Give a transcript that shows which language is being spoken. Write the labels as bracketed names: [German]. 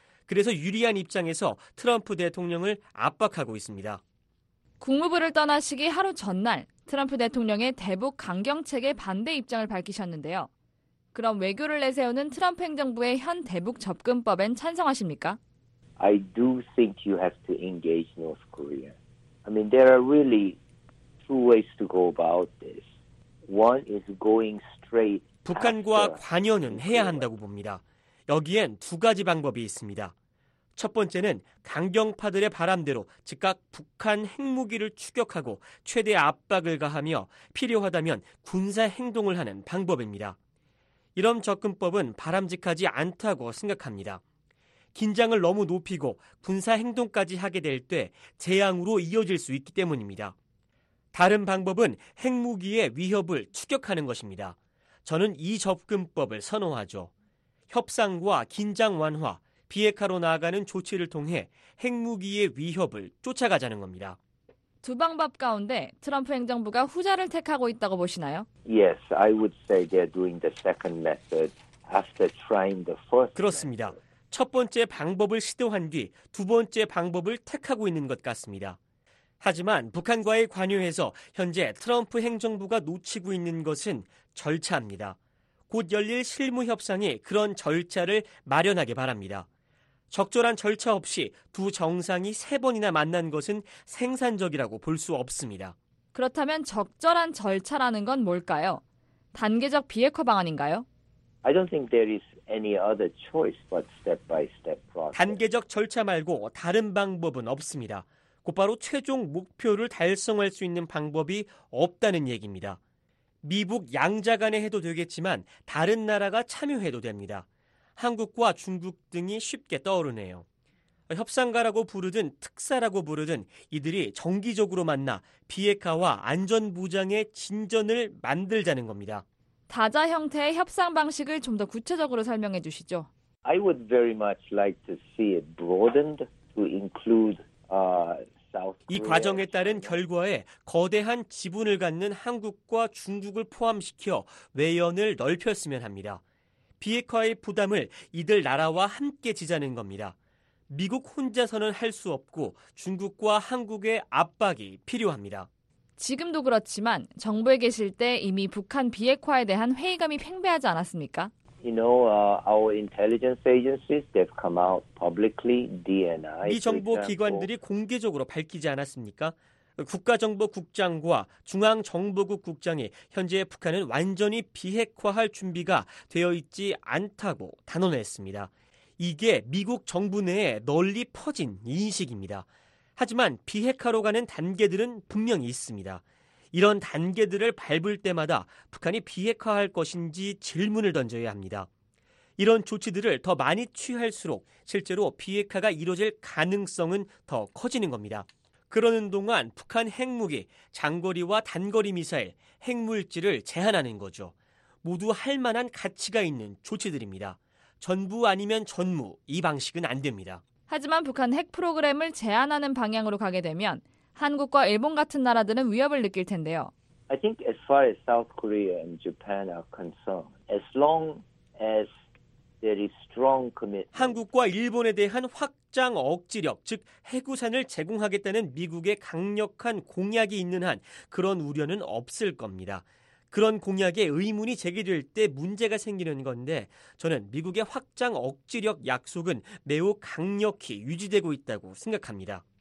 [Korean] 그래서 유리한 입장에서 트럼프 대통령을 압박하고 있습니다. 국무부를 떠나시기 하루 전날 트럼프 대통령의 대북 강경책에 반대 입장을 밝히셨는데요. 그럼 외교를 내세우는 트럼프 행정부의 현 대북 접근법엔 찬성하십니까? [English] I do think you have to engage North Korea. I mean, there are really two ways to go about this. One is going straight. [Korean] 북한과 관여는 해야 한다고 봅니다. 여기엔 두 가지 방법이 있습니다. 첫 번째는 강경파들의 바람대로 즉각 북한 핵무기를 추격하고 최대 압박을 가하며 필요하다면 군사 행동을 하는 방법입니다. 이런 접근법은 바람직하지 않다고 생각합니다. 긴장을 너무 높이고 군사 행동까지 하게 될 때 재앙으로 이어질 수 있기 때문입니다. 다른 방법은 핵무기의 위협을 추격하는 것입니다. 저는 이 접근법을 선호하죠. 협상과 긴장 완화, 비핵화로 나아가는 조치를 통해 핵무기의 위협을 쫓아가자는 겁니다. 두 방법 가운데 트럼프 행정부가 후자를 택하고 있다고 보시나요? [English] Yes, I would say they're doing the second method after trying the first. [Korean] 그렇습니다. 첫 번째 방법을 시도한 뒤 두 번째 방법을 택하고 있는 것 같습니다. 하지만 북한과의 관여에서 현재 트럼프 행정부가 놓치고 있는 것은 절차입니다. 곧 열릴 실무 협상이 그런 절차를 마련하게 바랍니다. 적절한 절차 없이 두 정상이 세 번이나 만난 것은 생산적이라고 볼 수 없습니다. 그렇다면 적절한 절차라는 건 뭘까요? 단계적 비핵화 방안인가요? [English] I don't think there is any other choice but step-by-step process. [Korean] 단계적 절차 말고 다른 방법은 없습니다. 곧바로 최종 목표를 달성할 수 있는 방법이 없다는 얘기입니다. 미국 양자 간에 해도 되겠지만 다른 나라가 참여해도 됩니다. 한국과 중국 등이 쉽게 떠오르네요. 협상가라고 부르든 특사라고 부르든 이들이 정기적으로 만나 비핵화와 안전보장의 진전을 만들자는 겁니다. 다자 형태의 협상 방식을 좀 더 구체적으로 설명해 주시죠. [English] I would very much like to see it broadened to include South Korea. [Korean] 이 과정에 따른 결과에 거대한 지분을 갖는 한국과 중국을 포함시켜 외연을 넓혔으면 합니다. 비핵화의 부담을 이들 나라와 함께 지자는 겁니다. 미국 혼자서는 할 수 없고 중국과 한국의 압박이 필요합니다. 지금도 그렇지만 정부에 계실 때 이미 북한 비핵화에 대한 회의감이 팽배하지 않았습니까? [English] You know, our intelligence agencies, they've come out publicly, DNI. [Korean] 미 정보 기관들이 공개적으로 밝히지 않았습니까? 국가정보국장과 중앙정보국 국장이 현재 북한은 완전히 비핵화할 준비가 되어 있지 않다고 단언했습니다. 이게 미국 정부 내에 널리 퍼진 인식입니다. 하지만 비핵화로 가는 단계들은 분명히 있습니다. 이런 단계들을 밟을 때마다 북한이 비핵화할 것인지 질문을 던져야 합니다. 이런 조치들을 더 많이 취할수록 실제로 비핵화가 이루어질 가능성은 더 커지는 겁니다. 그러는 동안 북한 핵무기, 장거리와 단거리 미사일, 핵물질을 제한하는 거죠. 모두 할 만한 가치가 있는 조치들입니다. 전부 아니면 전무, 이 방식은 안 됩니다. 하지만 북한 핵 프로그램을 제한하는 방향으로 가게 되면 한국과 일본 같은 나라들은 위협을 느낄 텐데요. [English] I think as far as South Korea and Japan are concerned, as long as there is strong commitment. [Korean] 한국과 일본에 대한 확장 억지력, 즉 핵우산을 제공하겠다는 미국의 강력한 공약이 있는 한 그런 우려는 없을 겁니다. 그런 공약에 의문이 제기될 때 문제가 생기는 건데 저는 미국의 확장 억지력 약속은 매우 강력히 유지되고 있다고 생각합니다.